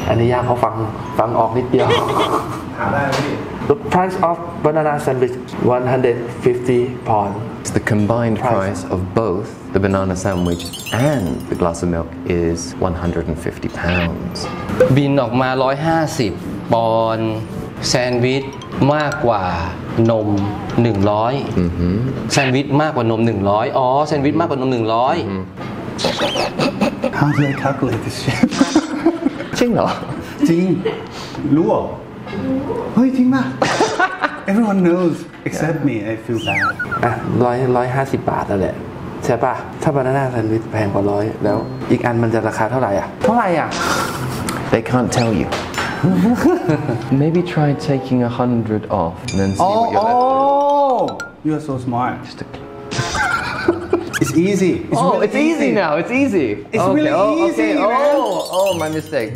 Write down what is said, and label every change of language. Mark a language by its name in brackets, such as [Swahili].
[Thai] อันนี้ยากเขาฟังออกนิดเดียว [English] The price of banana sandwich £150. It's the combined price of both the banana sandwich and the glass of milk is £150. [Thai] บินออกมา150ปอนด์แซนด์วิช มากกว่านม100แซนด์วิชมากกว่านม100อ๋อแซนด์วิชมากกว่านม100 [English] How do you calculate this shit? [Thai] จริงเหรอ จริงรู้เหรอเฮ้ยจริงมาก [English] Everyone knows except me I feel bad อ่ะ [Thai] 150บาทแล้วแหละใช่ป่ะถ้าบานาน่าแซนด์วิชแพงกว่า100แล้วอีกอันมันจะราคาเท่าไหร่อ่ะเท่าไหร่อ่ะ [English] They can't tell youMaybe try taking 100 off and then see what you're left with. Oh, you're so smart. Just a clue. It's easy. It's really it's easy. Easy now. It's easy. It's okay. Really oh, easy, okay. Man. Oh, my mistake.